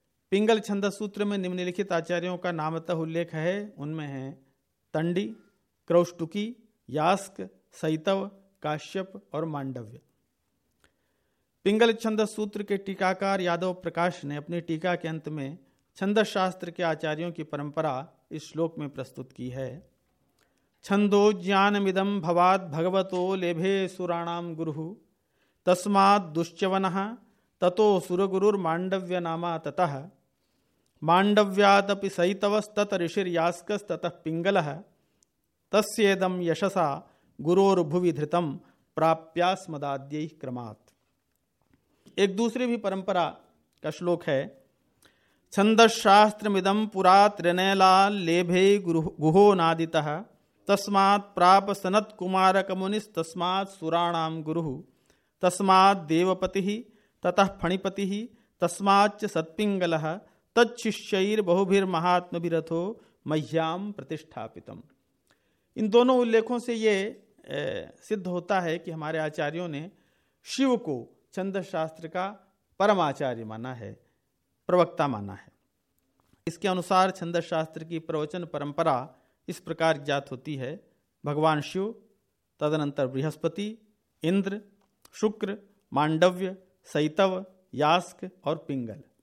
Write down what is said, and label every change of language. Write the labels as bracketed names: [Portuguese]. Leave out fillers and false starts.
[Hindi] पिंगल छंद सूत्र में निम्नलिखित आचार्यों का नामतः उल्लेख है, उनमें हैं तंडी, क्रौष्टुकी, यास्क, सैतव, काश्यप और मांडव्य। पिंगल छंद सूत्र के टीकाकार यादव प्रकाश ने अपनी टीका के अंत में छंद शास्त्र के आचार्यों की परंपरा इस श्लोक में प्रस्तुत की है। [Sanskrit] छंदो ज्ञानमिदं भवाद् भगवतो लेभे सुराणां गुरुः तस्माद् दुश्चवनः ततो सुरगुरुर्मांडव्य नामा ततः मांडव्यादपि सैतवस्तत ऋषिर्यास्कस्ततः पिंगलः तस्येदं यशसा गुरोर्भुवि धृतं प्राप्यास्मदाद्यैः क्रमात्। [Hindi] एक दूसरी भी परंपरा का श्लोक है। [Sanskrit] छंदशास्त्रमिदं पुरा त्रिनयलाल लेभे गुहो नादितः तस्मात् प्राप सनत कुमारक मुनिस तस्मात् सुराणां गुरुः तस्मात् देवपतिः ततः फणिपतिः तस्माच्च सत्पिंगलः तच्छिष्यैर् बहुभिर् महात्मभिरथो मह्यां प्रतिष्ठापितम्। [Hindi] इन दोनों उल्लेखों से ये सिद्ध होता है कि हमारे आचार्यों ने शिव को छंद शास्त्र का परमाचार्य माना है, प्रवक्ता माना है। इसके अनुसार छंद शास्त्र की प्रवचन परंपरा इस प्रकार ज्ञात होती है, भगवान शिव, तदनंतर बृहस्पति, इंद्र, शुक्र, मांडव्य, सैतव, यास्क और पिंगल।